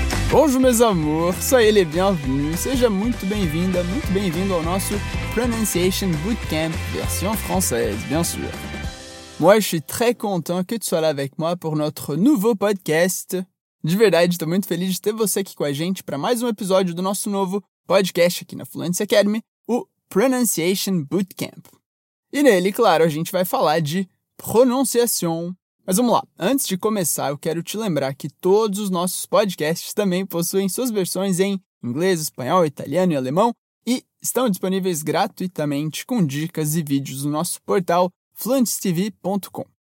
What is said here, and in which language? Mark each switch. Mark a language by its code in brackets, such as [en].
[fr] Bonjour [pt] meus amores, [fr] soyez les bienvenus, [pt] seja muito bem-vinda, muito bem-vindo ao nosso Pronunciation Bootcamp [fr] version française, bien sûr. Moi, je suis très content que tu sois là avec moi pour notre nouveau podcast. [pt] De verdade, estou muito feliz de ter você aqui com a gente para mais um episódio do nosso novo podcast aqui na Fluency Academy, o Pronunciation Bootcamp. E nele, claro, a gente vai falar de pronunciação. Mas vamos lá, antes de começar, eu quero te lembrar que todos os nossos podcasts também possuem suas versões em inglês, espanhol, italiano e alemão e estão disponíveis gratuitamente com dicas e vídeos no nosso portal fluentstv.com.